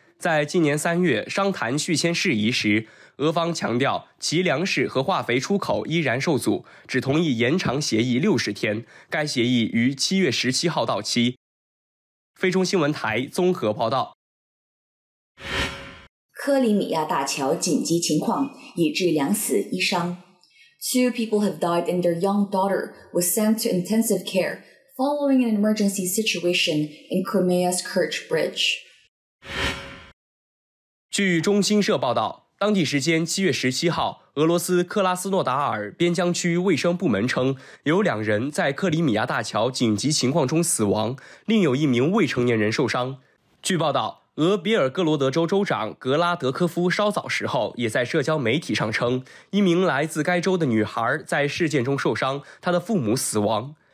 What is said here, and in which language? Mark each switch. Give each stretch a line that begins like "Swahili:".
Chinese: 在今年三月商谈续签事宜时，俄方强调其粮食和化肥出口依然受阻，只同意延长协议60天，该协议于7月17号到期。菲中新闻台综合报道。克里米亚大桥紧急情况已致2死1伤。
English: Two people have died and their young daughter was sent to intensive care following an emergency situation in Crimea's Kerch Bridge.
Chinese: 据中新社报道，当地时间7月17号，俄罗斯克拉斯诺达尔边疆区卫生部门称，有两人在克里米亚大桥紧急情况中死亡，另有一名未成年人受伤。据报道，俄比尔哥罗德州州长格拉德科夫稍早时候也在社交媒体上称，一名来自该州的女孩在事件中受伤，她的父母死亡。